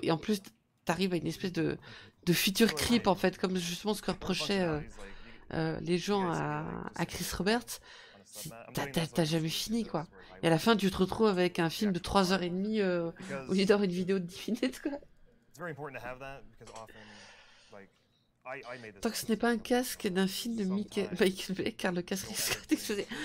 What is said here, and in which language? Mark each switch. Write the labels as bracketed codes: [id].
[fr] Et en plus, t'arrives à une espèce de feature creep, en fait, comme justement ce que reprochaient les gens à Chris Roberts. T'as jamais fini, quoi. Et à la fin, tu te retrouves avec un film de 3h30 au lieu d'avoir une vidéo de 10 minutes, quoi. [en] Very important to have that because often, like, I made this. [fr] Tant que ce n'est pas un casque d'un film de Michael Bay, car le casque risque d'exploser.